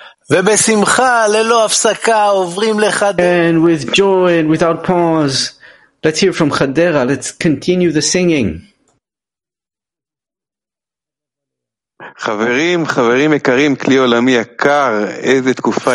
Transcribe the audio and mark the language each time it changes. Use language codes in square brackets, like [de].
[he] ובשמחה ללא הפסקה עוברים לחדרה. [en] And with joy and without pause, let's hear from Khadera. Let's continue the singing. [he] חברים, חברים יקרים, כלי עולמי יקר, איזה תקופה.